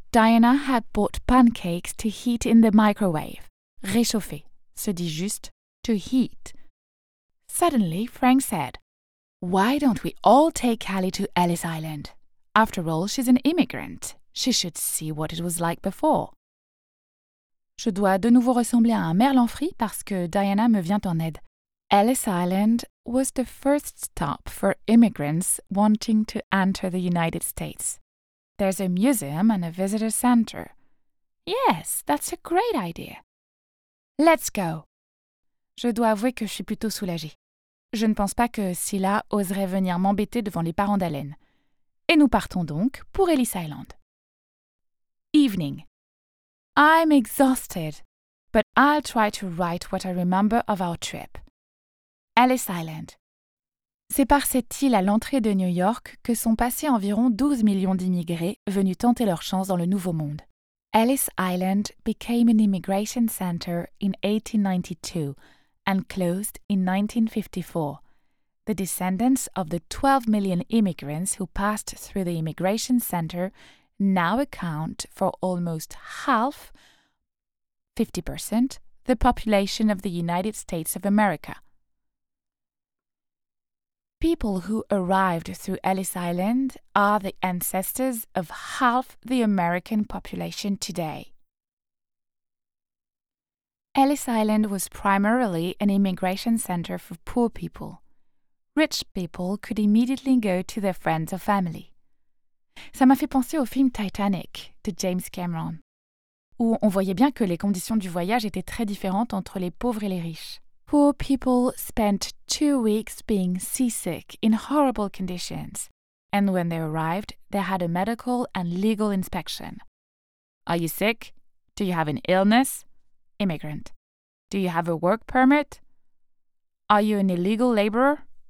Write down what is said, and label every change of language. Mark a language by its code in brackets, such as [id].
[en] Diana had bought pancakes to heat in the microwave. [fr] Réchauffer se dit juste [en] to heat. Suddenly, Frank said, "Why don't we all take Callie to Ellis Island? After all, she's an immigrant. She should see what it was like before." [fr] Je dois de nouveau ressembler à un merlan frit parce que Diana me vient en aide. [en] Ellis Island was the first stop for immigrants wanting to enter the United States. There's a museum and a visitor center. Yes, that's a great idea. Let's go. [fr] Je dois avouer que je suis plutôt soulagée. Je ne pense pas que Scylla oserait venir m'embêter devant les parents d'Allen. Et nous partons donc pour Ellis Island. [en] Evening. I'm exhausted, but I'll try to write what I remember of our trip. Ellis Island. [fr] C'est par cette île à l'entrée de New York que sont passés environ 12 millions d'immigrés venus tenter leur chance dans le Nouveau Monde. [en] Ellis Island became an immigration center in 1892 and closed in 1954. The descendants of the 12 million immigrants who passed through the immigration center now account for almost half, 50%, the population of the United States of America. People who arrived through Ellis Island are the ancestors of half the American population today. Ellis Island was primarily an immigration center for poor people. Rich people could immediately go to their friends or family. [fr] Ça m'a fait penser au film Titanic de James Cameron, où on voyait bien que les conditions du voyage étaient très différentes entre les pauvres et les riches. [en] Poor people spent 2 weeks being seasick in horrible conditions, and when they arrived, they had a medical and legal inspection. Are you sick? Do you have an illness? Immigrant. Do you have a work permit? Are you an illegal laborer?